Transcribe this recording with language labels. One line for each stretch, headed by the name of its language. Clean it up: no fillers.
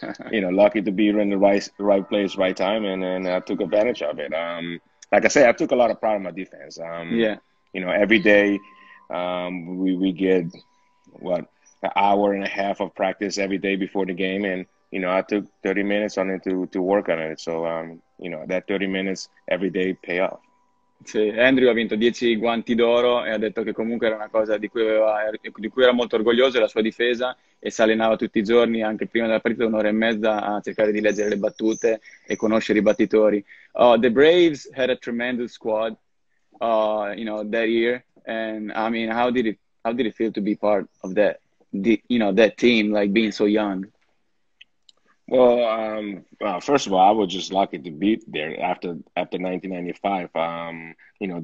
English: lucky to be in the right place, right time, and then I took advantage of it. Like I said, I took a lot of pride in my defense. Yeah. Every day, we get what, an hour and a half of practice every day before the game, and I took 30 minutes on it to work on it. So that 30 minutes every day pay off.
Italian: Sì, Andrew ha vinto 10 guanti d'oro e ha detto che comunque era una cosa di cui era molto orgoglioso, la sua difesa, e si allenava tutti i giorni, anche prima della partita, un'ora e mezza, a cercare di leggere le battute e conoscere i battitori.
English: Oh, the Braves had a tremendous squad, that year. And I mean, how did it feel to be part of that team, like being so young? Well, first of all, I was just lucky to be there after 1995.